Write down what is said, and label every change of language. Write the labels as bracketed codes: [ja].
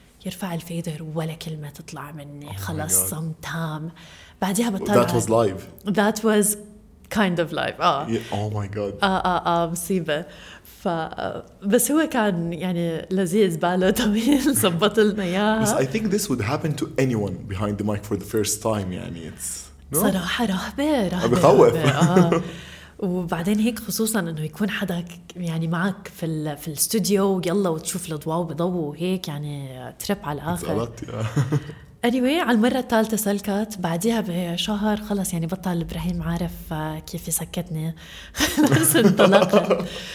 [ar] يرفع الفيدر ولا كلمة تطلع مني خلاص صمت تام. بعدها بطلع [en] that was live that was kind of live oh my god [ar] مصيبة. بس هو كان يعني لذيذ باله طويل صبت لنا اياه. [en] I think this would happen to anyone behind the mic for the first time يعني it's [ar] no? صراحة رهبة رهبة بخوف. وبعدين هيك خصوصا انه يكون حدا يعني معك في الاستوديو يلا وتشوف الاضواء بضوء هيك يعني تريب على الاخر. anyway على المره الثالثه سلكت. بعديها بشهر خلص يعني بطل ابراهيم عارف كيف يسكتني خلص انطلقت.